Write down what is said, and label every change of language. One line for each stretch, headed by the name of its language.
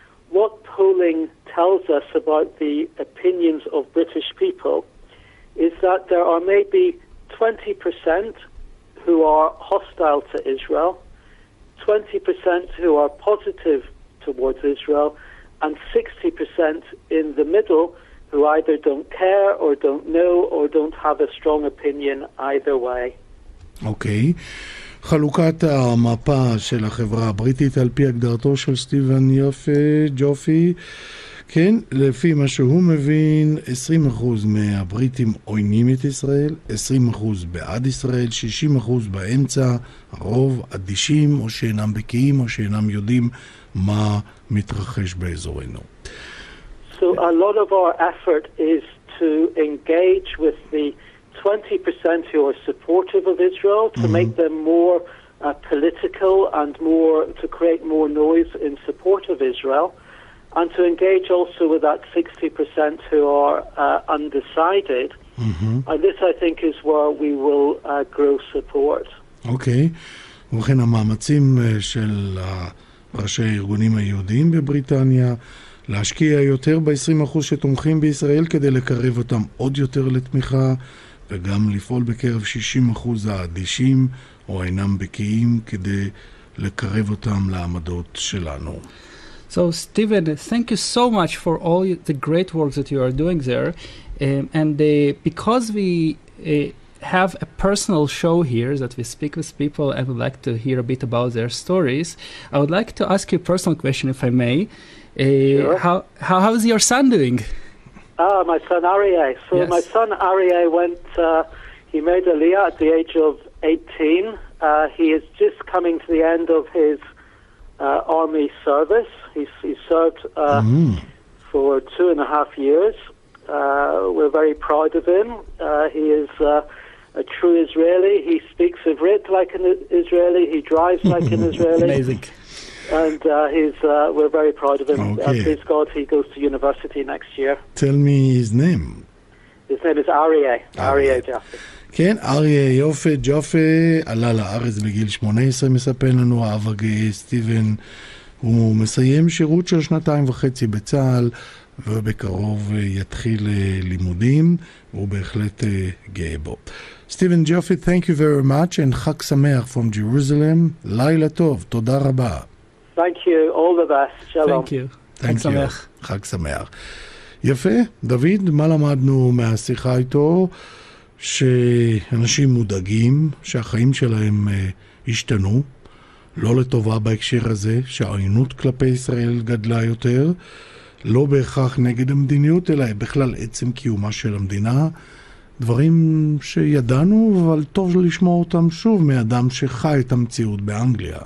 English: What polling tells us about the opinions of British people is that there are maybe 20% who are hostile to Israel, 20% who are positive towards Israel, and 60% in the middle who either don't care or don't know or don't have a strong opinion either way. Okay.
Hebrew: חלוקת המפה של החברה הבריטית על פי הגדרתו של סטיבן יפה ג'ופי, כן, לפי מה שהוא מבין, 20% מהבריטים עוינים את ישראל, 20% בעד ישראל, 60% באמצע, הרוב אדישים או שאינם בקיאים או שאינם יודעים מה מתרחש באזורנו.
English: So a lot of our effort is to engage with the 20% who are supportive of Israel to make them more political and more to create more noise in support of Israel and to engage also with that 60% who are undecided. And this I think is where we will grow support. Okay.
Hebrew: וכן המאמצים של ראשי הארגונים היהודיים בבריטניה להשקיע יותר ב-20% שתומכים בישראל כדי לקרב אותם עוד יותר לתמיכה, וגם לפעול בקרב 60% האדישים או אינם בקיאים כדי לקרב אותם לעמדות שלנו.
English: So, Steven, thank you so much for all the great work that you are doing there. Because we have a personal show here that we speak with people and would like to hear a bit about their stories, I would like to ask you a personal question, if I may. How is your son doing? My son Aryeh. So yes. My son Aryeh went, he made Aliyah at the age of 18. He is just coming to the end of his army service. He served for 2.5 years. We're very proud of him. He is a true Israeli. He speaks Ivrit like an Israeli. He drives like an Israeli. Amazing. And we're very proud of him. Okay. Please God, he goes to university next year. Tell me his name. His name is Aryeh. Aryeh Jaffe.
Hebrew: כן, אריה יופי ג'ופה, עלה לארץ בגיל 18, מספן לנו האב הגאה סטיבן. הוא מסיים שירות של 2.5 בצהל, ובקרוב יתחיל לימודים, והוא בהחלט גאה בו.
English: סטיבן ג'ופי, thank you very much, and
Hebrew: חג שמח
English: from Jerusalem.
Hebrew: לילה טוב, תודה רבה.
English: Thank you, all the best,
Hebrew: שלום.
English: Thank you,
Hebrew: חג שמח. חג שמח. יפה, דוד, מה למדנו מהשיחה איתו? שאנשים מודאגים שהחיים שלהם השתנו לא לטובה בהקשר הזה, שהעוינות כלפי ישראל גדלה יותר, לא בהכרח נגד המדיניות אלא בכלל עצם קיומה של המדינה, דברים שידענו אבל טוב לשמוע אותם שוב מאדם שחי את המציאות באנגליה.